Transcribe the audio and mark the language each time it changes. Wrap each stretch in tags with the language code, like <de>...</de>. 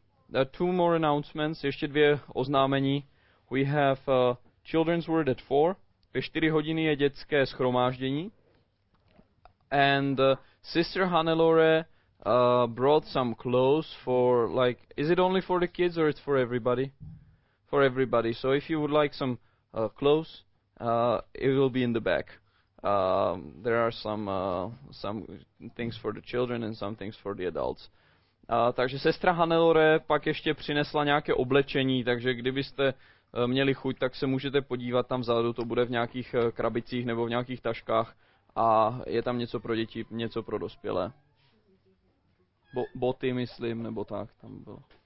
<en>There are two more announcements.</en> <cs>Ještě dvě oznámení.</cs> <en>We have Children's Word at 4.</en> <cs>Ve 4 hodiny je dětské shromáždění.</cs> <en>And Sister Hannelore brought some clothes for, like, is it only for the kids or it's for everybody? For everybody. So if you would like some clothes, it will be in the back. There are some things for the children and some things for the adults.</en> <cs>Takže sestra Hannelore pak ještě přinesla nějaké oblečení, takže kdybyste měli chuť, tak se můžete podívat tam vzadu, to bude v nějakých krabicích nebo v nějakých taškách a je tam něco pro děti, něco pro dospělé. Boty, myslím, nebo tak tam bylo.</cs>